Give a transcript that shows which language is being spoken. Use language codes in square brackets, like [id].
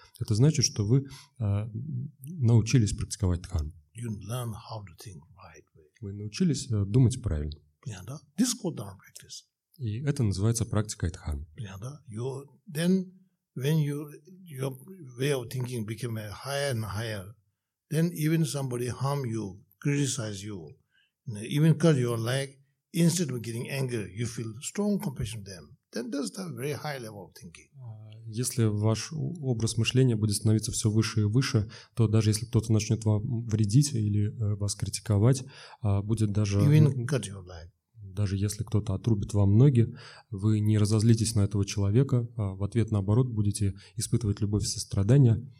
[ru] Это значит, что вы научились практиковать дхарму. [en] You learn how to think right. [ru] Вы научились думать правильно. [en] Yeah, [ru] да? [en] This is called dharma practice. [ru] И это называется практикой дхармы. [en] Yeah, [ru] да? [en] When your way of thinking became higher and higher, then even somebody harm you, criticize you, even cut your leg, instead of getting angry, you feel strong compassion for them. Then that's a very high level of thinking. [ru] Если ваш образ мышления будет становиться все выше и выше, то даже если кто-то начнет вам вредить или вас критиковать, будет даже... [en] Even cut your leg. [ru] даже если кто-то отрубит вам ноги, вы не разозлитесь на этого человека, а в ответ, наоборот, будете испытывать любовь и сострадание.